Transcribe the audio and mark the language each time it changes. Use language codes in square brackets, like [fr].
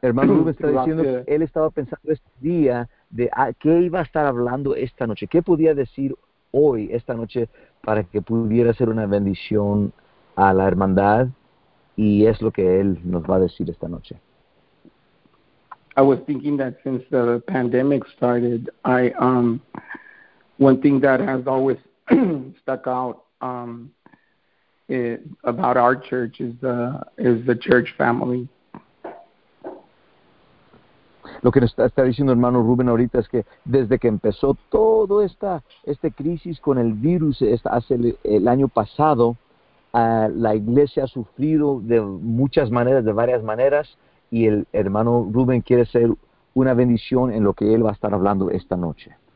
[es] Hermano Rubén está diciendo que él estaba pensando este día de qué iba a estar hablando esta noche, qué podía decir hoy esta noche para que pudiera ser una bendición a la hermandad, y es lo que él nos va a decir esta noche. [en] I was thinking that since the pandemic started, one thing that has always stuck out about our church is the church family. [es] Lo que está diciendo hermano Rubén ahorita es que desde que empezó todo esta crisis con el virus hace el año pasado, la iglesia ha sufrido de muchas maneras, de varias maneras, y el hermano Rubén quiere ser una bendición en lo que él va a estar hablando esta noche.